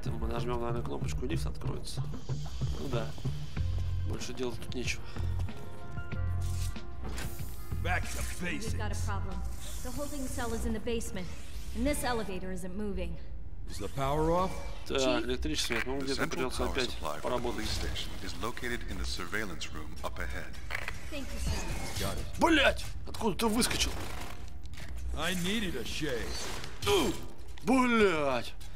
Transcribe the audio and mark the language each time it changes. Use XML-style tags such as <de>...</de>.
<ru>Нажмем, наверное, кнопочку, лифт откроется. Ну да. Больше делать тут нечего.</ru> <en>Back to basics. We've got a problem. The holding cell is in the basement, and this elevator isn't moving. Is the power off?</en> <ru>Да, электричество нет. Ну, где-то придется опять поработать.</ru> <en>Thank you, sir.</en> <ru>Блять! Откуда ты выскочил?</ru> <en>I needed a shave.</en> <ru>Блять!</ru>